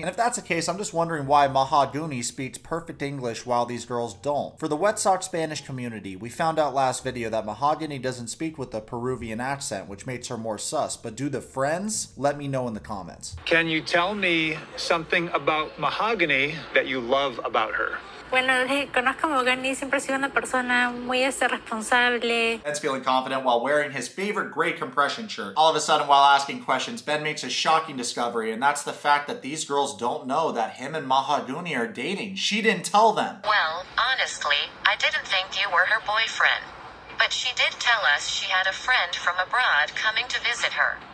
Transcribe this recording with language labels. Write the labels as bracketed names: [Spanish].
[English] And if that's the case, I'm just wondering why Mahogany speaks perfect English while these girls don't. For the Yourwetsock Spanish community, we found out last video that Mahogany doesn't speak with a Peruvian accent, which makes her more sus. But do the friends? Let me know in the comments. Can you tell me something about Mahogany that you love about her? [Spanish] Bueno, conozco a Mahogany, siempre ha sido una persona muy responsable. [English] Ben's feeling confident while wearing his favorite favorite gray compression shirt. All of a sudden, while asking questions, Ben makes a shocking discovery, and that's the fact that these girls don't know that him and Mahogany are dating. She didn't tell them. Well, honestly, I didn't think you were her boyfriend. But she did tell us she had a friend from abroad coming to visit her.